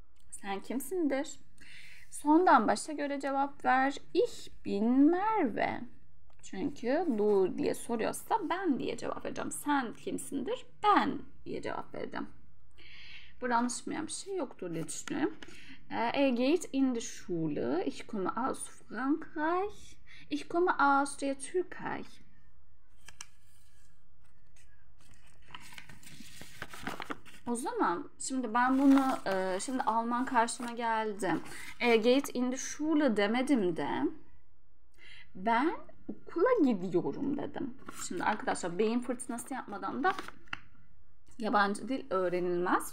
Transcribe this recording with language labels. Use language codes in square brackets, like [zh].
[tr] Sen kimsindir? Sondan başa göre cevap ver. [de] Ich bin Merve. [tr] Çünkü du diye soruyorsa ben diye cevap vereceğim. Sen kimsindir? Ben diye cevap vereceğim. Burada anlaşılmayan bir şey yoktur diye düşünüyorum. [de] Er geht in die Schule. Ich komme aus Frankreich. Ich komme aus der Türkei. [tr] O zaman şimdi ben bunu şimdi Alman karşıma geldi. [de] Er geht in die Schule [tr] demedim de ben okula gidiyorum dedim. Şimdi arkadaşlar beyin fırtınası yapmadan da yabancı dil öğrenilmez.